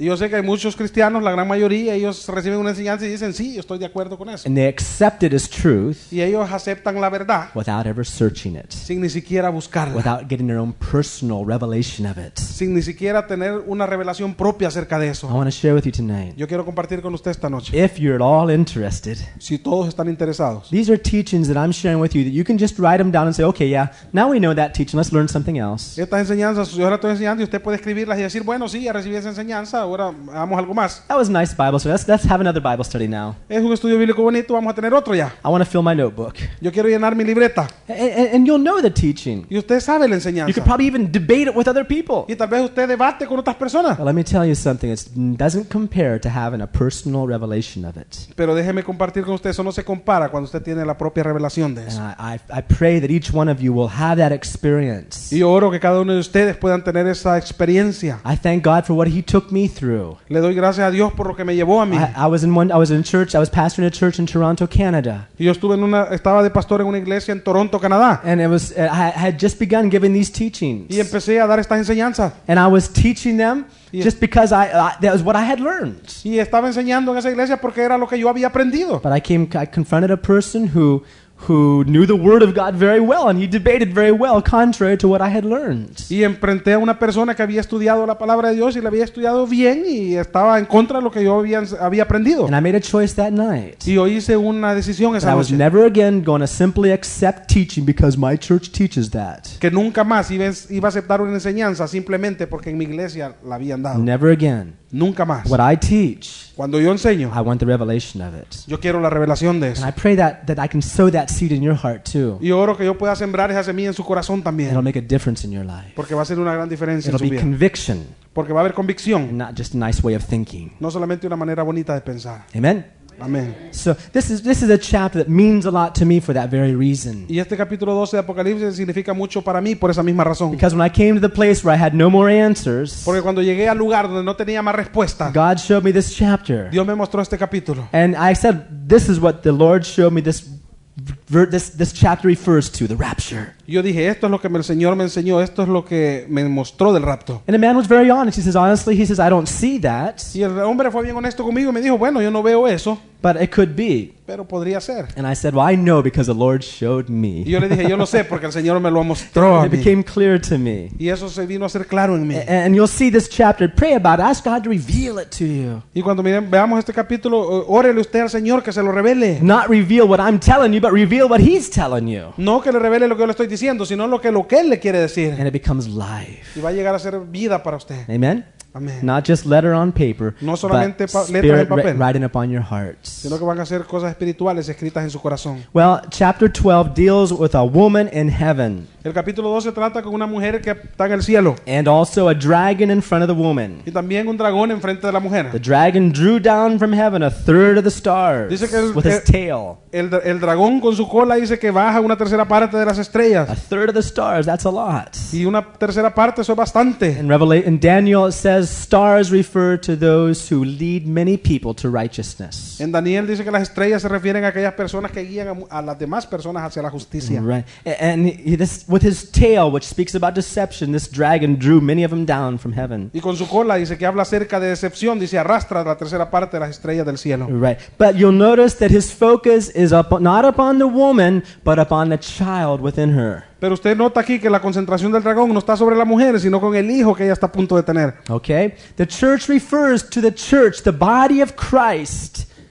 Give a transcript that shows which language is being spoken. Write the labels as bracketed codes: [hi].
[es] Yo sé que hay muchos cristianos, la gran mayoría, ellos reciben una enseñanza y dicen, sí, yo estoy de acuerdo con eso. [en] And they accept it as truth. [es] Y ellos aceptan la verdad. [en] Without ever searching it. [es] Sin ni siquiera buscarla. [en] Without getting their own personal revelation of it. [es] Sin ni siquiera tener una revelación propia acerca de eso. [en] I want to share with you tonight. [es] Yo quiero compartir con usted esta noche. [en] If you're at all interested. [es] Si todos están interesados. [en] These are teachings that I'm sharing with you that you can just write them down and say, okay, yeah, now we know that teaching, let's learn something else. [es] Estas enseñanzas, yo ahora estoy enseñando y usted puede escribirlas y decir, bueno, sí, ya recibí esa enseñanza, ahora hagamos algo más. [en] That was a nice Bible study. Let's have another Bible study now. [es] Es un estudio bíblico bonito, vamos a tener otro ya. [en] I want to fill my notebook. [es] Yo quiero llenar mi libreta. [en] And you'll know the teaching. [es] Y usted sabe la enseñanza. [en] You could probably even debate it with other people. [es] Y tal vez usted debate con otras personas. [en] Well, let me tell you something, it doesn't compare to having a personal revelation of it. [es] Pero déjeme compartir con usted, eso no se compara cuando usted tiene la propia revelación de eso. [en] And I pray that each one of you will have that experience. [es] Y oro que cada uno de ustedes puedan tener esa experiencia. [en] I thank God for what he took me through. [es] Le doy gracias a Dios por lo que me llevó a mí. [en] I was in church, I was pastoring a church in Toronto, Canada. [es] Y yo estaba de pastor en una iglesia en Toronto, Canadá. [en] And it was, I had just begun giving these teachings. [es] Y empecé a dar estas enseñanzas. [en] And I was teaching them just because that was what I had learned. [es] Y estaba enseñando en esa iglesia porque era lo que yo había aprendido. [en] But I confronted a person who knew the word of God very well, and he debated very well contrary to what I had learned. [es] Y enfrenté a una persona que había estudiado la palabra de Dios y la había estudiado bien y estaba en contra de lo que yo había aprendido. [en] And I made a choice that night. [es] Y yo hice una decisión esa noche. [en] I was never again going to simply accept teaching because my church teaches that. [es] Que nunca más iba a aceptar una enseñanza simplemente porque en mi iglesia la habían dado. [en] Never again. [es] Nunca más. [en] What I teach, [es] cuando yo enseño, [en] I want the revelation of it. [es] Yo quiero la revelación de eso. [en] And I pray that I can sow that seed in your heart too. [es] Y oro que yo pueda sembrar esa semilla en su corazón también. [en] It'll make a difference in your life. [es] Porque va a ser una gran diferencia. [en] It'll [es] en su [en] be [es] vida. [en] Conviction. [es] Porque va a haber convicción. [en] And not just a nice way of thinking. [es] No solamente una manera bonita de pensar. [en] Amen. [es] Amen. [en] So this is a chapter that means a lot to me for that very reason. [es] Y este capítulo 12 de Apocalipsis significa mucho para mí por esa misma razón. [en] Because when I came to the place where I had no more answers, [es] porque cuando llegué al lugar donde no tenía más respuesta, [en] God showed me this chapter. [es] Dios me mostró este capítulo. [en] And I said, this is what the Lord showed me, this chapter refers to, the rapture. [es] Yo dije, esto es lo que el Señor me enseñó, esto es lo que me mostró del rapto. [en] And the man was very honest. He says, honestly, he says, I don't see that. [es] Y el hombre fue bien honesto conmigo y me dijo, bueno, yo no veo eso. [en] But it could be. [es] Pero podría ser. [en] And I said, well, I know because the Lord showed me. [es] Y yo le dije, yo lo sé porque el Señor me lo mostró a mí. [en] It became clear to me. [es] Y eso se vino a ser claro en mí. [en] And you'll see this chapter. Pray about it. Ask God to reveal it to you. [es] Y cuando veamos este capítulo, órele usted al Señor que se lo revele. [en] Not reveal what I'm telling you, but reveal what he's telling you. [es] No que le revele lo que yo le estoy diciendo, sino lo que él le quiere decir. [en] And it becomes life. [es] Y va a llegar a ser vida para usted. [en] Amen. [es] Amen. [en] Not just letter on paper, [es] no solamente [en] but [es] letra de papel, [en] writing upon your hearts. [es] Sino que van a ser cosas espirituales escritas en su corazón. [en] Well, chapter 12 deals with a woman in heaven. [es] El capítulo 12 trata con una mujer que está en el cielo. [en] And also a dragon in front of the woman. [es] Y también un dragón en frente de la mujer. [en] The dragon drew down from heaven a third of the stars. [es] Dice que [en] with his tail. [es] El dragón con su cola dice que baja una tercera parte de las estrellas. [en] A third of the stars, that's a lot. [es] Y una tercera parte, eso es bastante. [en] In Daniel it says stars refer to those who lead many people to righteousness. [es] En Daniel dice que las estrellas se refieren a aquellas personas que guían a las demás personas hacia la justicia. [en] Right. And this, with his tail, which speaks about deception, this dragon drew many of them down from heaven. [es] Y con su cola dice que habla acerca de decepción, dice arrastra la tercera parte de las estrellas del cielo. [en] Right. But you'll notice that his focus is not upon the woman, but upon the child within her. [es] Pero usted nota aquí que la concentración del dragón no está sobre la mujer, sino con el hijo que ella está a punto de tener. [en] Okay. The church refers to the church, the body of Christ.